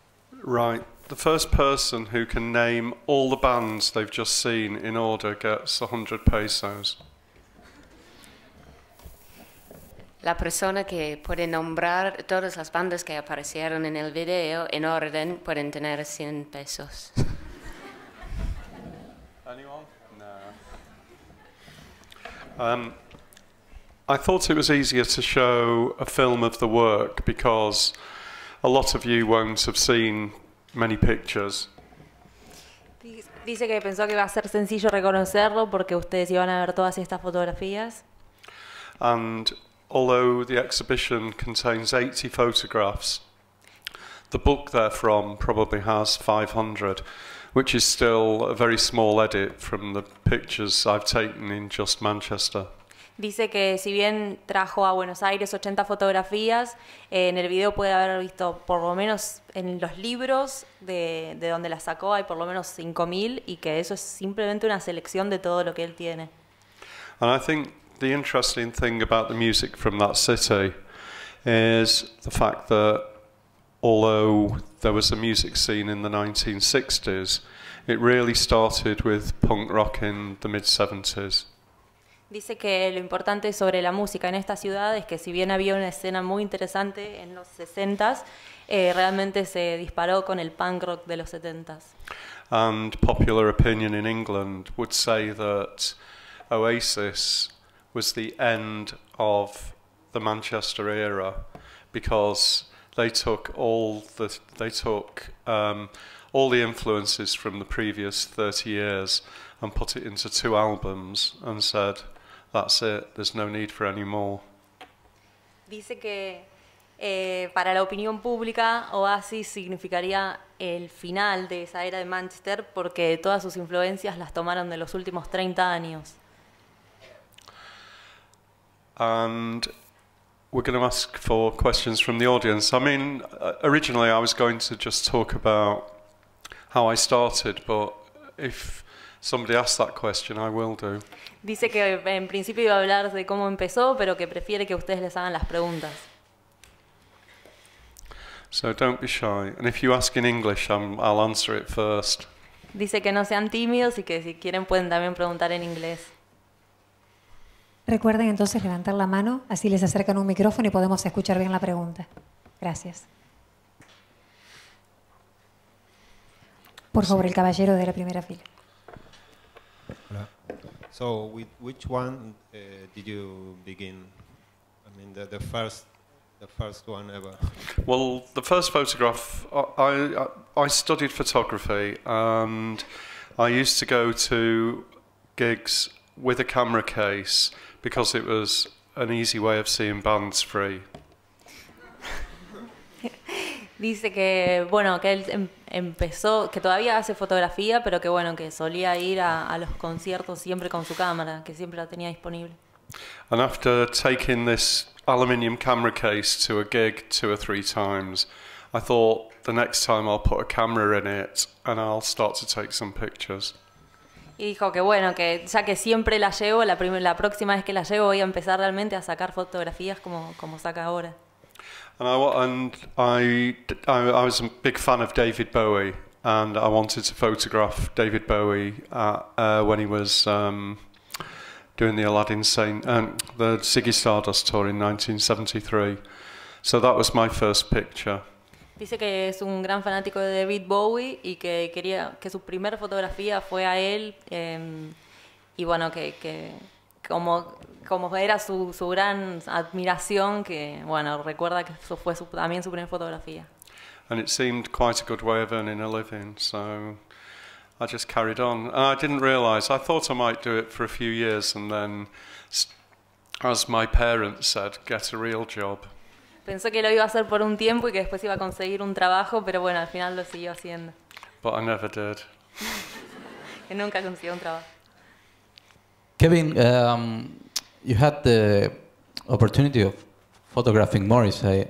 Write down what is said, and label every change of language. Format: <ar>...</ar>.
<en>Right, the first person who can name all the bands they've just seen in order gets 100 pesos.</en> <es>La persona que puede nombrar todas las bandas que aparecieron en el video en orden pueden tener 100 pesos.</es> <en>Anyone? No. I thought it was easier to show a film of the work because a lot of you won't have seen many pictures.</en> <es>Dice que pensó que iba a ser sencillo reconocerlo porque ustedes iban a ver todas estas fotografías.</es> <en>And although the exhibition contains 80 photographs, the book therefrom probably has 500, which is still a very small edit from the pictures I've taken in just Manchester.</en> <es>Dice que si bien trajo a Buenos Aires 80 fotografías, en el video puede haber visto por lo menos en los libros de donde las sacó hay por lo menos 5.000 y que eso es simplemente una selección de todo lo que él tiene.</es> <en>And I think the interesting thing about the music from that city is the fact that although there was a music scene in the 1960s, it really started with punk rock in the mid 70s.</en> <es>Dice que lo importante sobre la música en esta ciudad es que si bien había una escena muy interesante en los 60s, realmente se disparó con el punk rock de los 70s.</es> <en>And popular opinion in England would say that Oasis was the end of the Manchester era because they took all the influences from the previous 30 years and put it into two albums and said that's it, there's no need for any more.</en> <es>Dice que para la opinión pública Oasis significaría el final de esa era de Manchester porque todas sus influencias las tomaron de los últimos 30 años.</es> <en>And we're going to ask for questions from the audience. I mean, originally I was going to just talk about how I started, but if somebody asks that question, I will do.</en> <es>Dice que en principio iba a hablar de cómo empezó, pero que prefiere que ustedes les hagan las preguntas.</es> <en>So don't be shy. And if you ask in English, I'll answer it first.</en> <es>Dice que no sean tímidos y que si quieren pueden también preguntar en inglés. Recuerden entonces levantar la mano, así les acercan un micrófono y podemos escuchar bien la pregunta. Gracias. Por favor, el caballero de la primera fila. Hola.</es> <en>So, with which one did you begin? I mean, the first one ever. Well, the first photograph. I studied photography and I used to go to gigs with a camera case because it was an easy way of seeing bands free.</en> <es>Dice que bueno, que él empezó, que todavía hace fotografía, pero que bueno, que solía ir a los conciertos siempre con su cámara, que siempre la tenía disponible.</es> <en>And after taking this aluminium camera case to a gig two or three times, I thought the next time I'll put a camera in it and I'll start to take some pictures.</en> <es>Y dijo que bueno, que ya que siempre la llevo, la próxima vez que la llevo voy a empezar realmente a sacar fotografías como saca ahora.</es> <en>And I was a big fan of David Bowie, and I wanted to photograph David Bowie when he was doing the Aladdin Sane, the Ziggy Stardust tour in 1973. So that was my first picture.</en> <es>Dice que es un gran fanático de David Bowie y que quería que su primera fotografía fue a él, y bueno, que como era su gran admiración, que bueno, recuerda que eso fue también su primera fotografía.</es> <en>And it seemed quite a good way of earning a living, so I just carried on. And I didn't realize, I thought I might do it for a few years and then, as my parents said, get a real job.</en> <es>Pensó que lo iba a hacer por un tiempo y que después iba a conseguir un trabajo, pero bueno, al final lo siguió haciendo.</es> <en>But I never did.</en> <es>Que nunca consiguió un trabajo.</es> <en>Kevin, you had the opportunity of photographing Morris.</en>